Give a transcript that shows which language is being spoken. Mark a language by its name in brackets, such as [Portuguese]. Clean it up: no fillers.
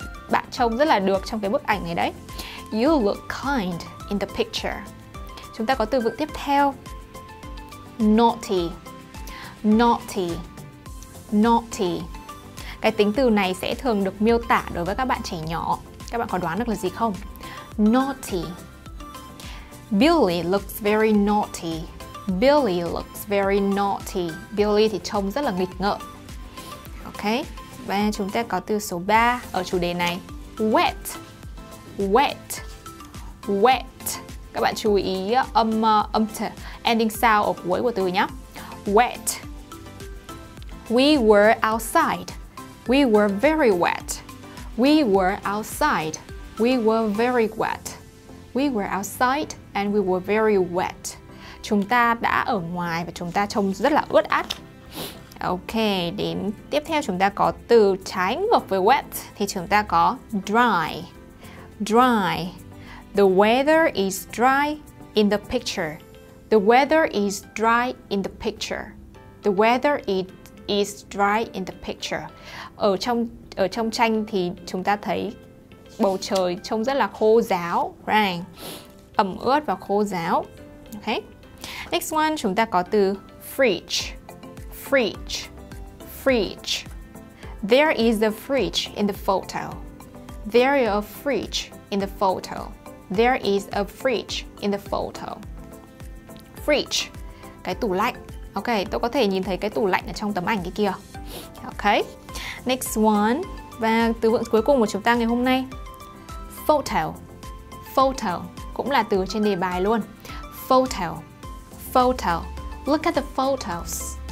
[Vietnamese] Bạn trông rất là được trong cái bức ảnh này đấy. [English] You look kind in the picture. [Vietnamese] Chúng ta có từ vựng tiếp theo. Naughty. Naughty. Naughty. Cái tính từ này sẽ thường được miêu tả đối với các bạn trẻ nhỏ. Các bạn có đoán được là gì không? [English] Naughty. Billy looks very naughty. Billy looks very naughty. [Vietnamese] Billy thì trông rất là nghịch ngợm. Ok. Và chúng ta có từ số 3 ở chủ đề này. Wet. Wet. Wet. Các bạn chú ý âm t, ending sound ở cuối của từ nhé. [English] Wet. We were outside. We were very wet. We were outside. We were very wet. We were outside and we were very wet. [Vietnamese] Chúng ta đã ở ngoài và chúng ta trông rất là ướt át. Ok, đến tiếp theo chúng ta có từ trái ngược với wet thì chúng ta có dry. [English] Dry. The weather is dry in the picture. The weather is dry in the picture. The weather is dry in the picture. [Vietnamese] Ở trong tranh thì chúng ta thấy bầu trời trông rất là khô ráo, right? Ẩm ướt và khô ráo. Okay. [English] Next one [Vietnamese] chúng ta có từ fridge. [English] Fridge. Fridge. There is a fridge in the photo. There is a fridge in the photo. There is a fridge in the photo. [Vietnamese] Fridge. Cái tủ lạnh. Ok, tôi có thể nhìn thấy cái tủ lạnh ở trong tấm ảnh kia. Ok. [English] Next one. [Vietnamese] Và từ vựng cuối cùng của chúng ta ngày hôm nay. Photo. Photo. Cũng là từ trên đề bài luôn. [English] Photo. Photo. Look at the photos.